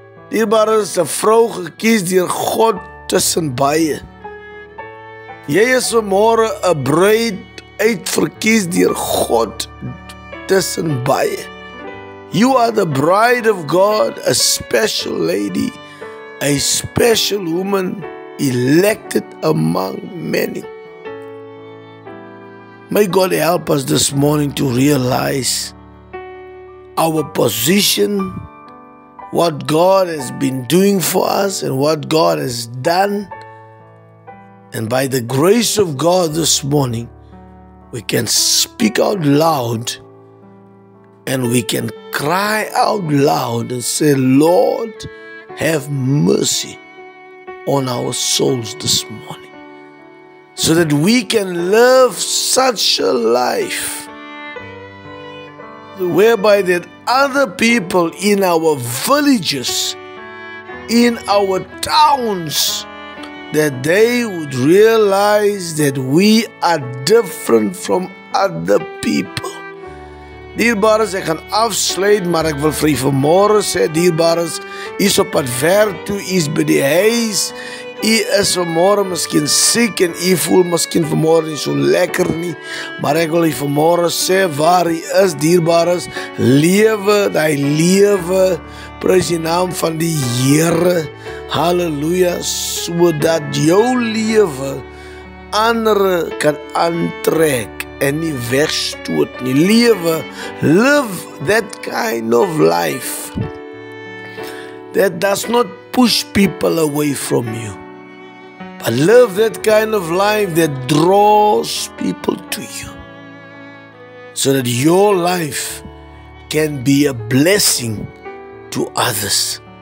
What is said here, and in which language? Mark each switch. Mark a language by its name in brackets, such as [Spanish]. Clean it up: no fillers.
[Afrikaans] Hierbare is 'n vrou gekies deur God tussen baie. Jy is vanmôre 'n bruid uitverkies deur God tussen baie. [English] You are the bride of God, a special lady, a special woman elected among many. May God help us this morning to realize our position, what God has been doing for us and what God has done. And by the grace of God this morning, we can speak out loud and we can cry out loud and say, Lord, have mercy on our souls this morning, so that we can live such a life whereby that other people in our villages, in our towns, that they would realize that we are different from other people. [Afrikaans] Dierbares, ek gaan afsluit, maar ek wil vir jy vanmorgen sê, dierbares, jy is op pad ver toe, jy is by die huis, jy is vanmorgen miskien siek en jy voel miskien vanmorgen nie so lekker nie, maar ek wil jy vanmorgen sê, waar jy is, dierbares, lewe, die lewe, prys die naam van die Here, halleluja, sodat jou lewe andere kan aantrek en nie wegstoot nie. [English] Lewe, live that kind of life that does not push people away from you, but live that kind of life that draws people to you, so that your life can be a blessing to others.